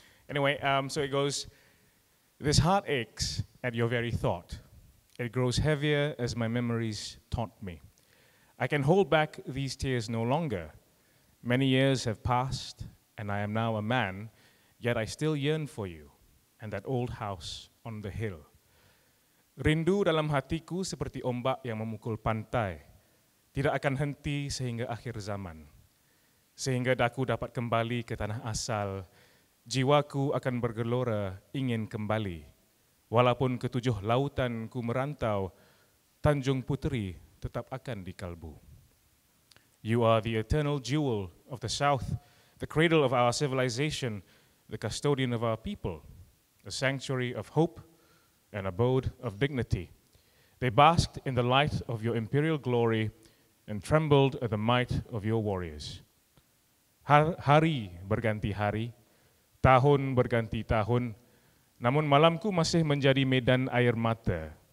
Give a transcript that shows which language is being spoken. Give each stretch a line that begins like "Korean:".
English: Anyway, so it goes, this heart aches at your very thought. It grows heavier as my memories taunt me. I can hold back these tears no longer. Many years have passed, and I am now a man, yet I still yearn for you and that old house on the hill.
Malay: Rindu dalam hatiku seperti ombak yang memukul pantai. Tidak akan henti sehingga akhir zaman. Sehingga daku dapat kembali ke tanah asal, jiwaku akan bergelora ingin kembali. Walaupun ketujuh lautan ku merantau, Tanjung Puteri tetap akan di kalbu.
English: You are the eternal jewel of the South, the cradle of our civilization, the custodian of our people, a sanctuary of hope, an abode of dignity. They basked in the light of your imperial glory and trembled at the might of your warriors.
Malay: Hari berganti hari, tahun berganti tahun, namun malamku masih menjadi medan air mata.